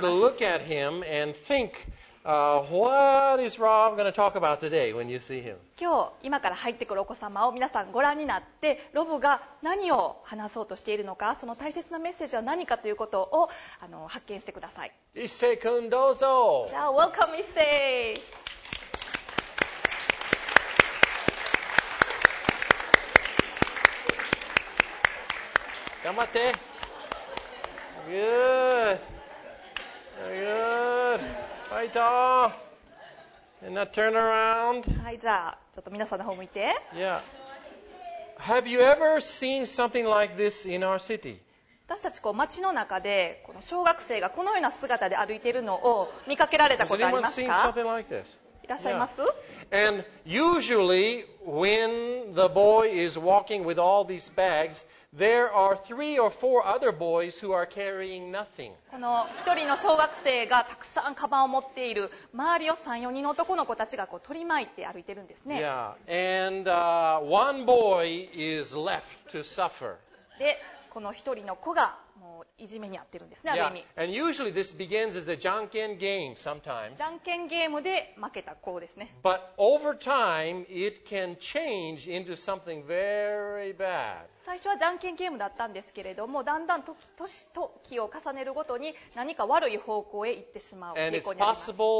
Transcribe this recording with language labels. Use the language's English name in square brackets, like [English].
[English] So I want you to look at him and think,what is Rob going to talk about today when you see him? [Japanese] 今日今から入ってくるお子様を皆さんご覧になって、ロブが何を話そうとしているのか、その大切なメッセージは何かということを発見してください。一世君どうぞ。じゃあ、 [English] Welcome 一世。 [Japanese] 頑張って。 [English] Good. Good. [Japanese] ファイト。 [English] And now turn around. [Japanese] はい、じゃあちょっと皆さんの方向いて。 [English] Yeah. Have you ever seen something like this in our city? [Japanese] 私たちこう街の中でこの小学生がこのような姿で歩いているのを見かけられたことありますか？ [English] Has anyone seen something like this? [Japanese] いらっしゃいます？ [English] Yeah. And usually when the boy is walking with all these bags,There are three or four other boys who are carrying nothing. [Japanese] この一人の小学生がたくさんカバンを持っている周りを3、4人の男の子たちがこう取り巻いて歩いてるんですね。 [English] Yeah. And, one boy is left to suffer. [Japanese] で、この一人の子がもういじめに遭ってるんですね、ある意味。 [English] Yeah. And usually this begins as a じゃんけんゲーム sometimes. [Japanese] じゃんけんゲームで負けた子ですね。 [English] But over time, it can change into something very bad. [Japanese] 最初はじゃんけんゲームだったんですけれども、だんだん 時を重ねるごとに何か悪い方向へ行ってしまう傾向にあります。